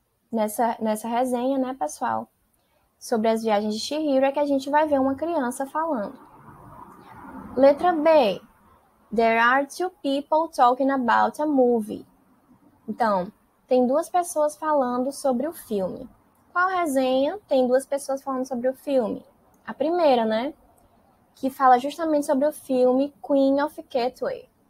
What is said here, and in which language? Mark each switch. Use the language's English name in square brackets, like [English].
[Portuguese] Nessa resenha, né, pessoal, sobre As Viagens de Chihiro, é que a gente vai ver uma criança falando. Letra B. [English] There are two people talking about a movie. [Portuguese] Então, tem duas pessoas falando sobre o filme. Qual resenha tem duas pessoas falando sobre o filme? A primeira, né? Que fala justamente sobre o filme Queen of Catway.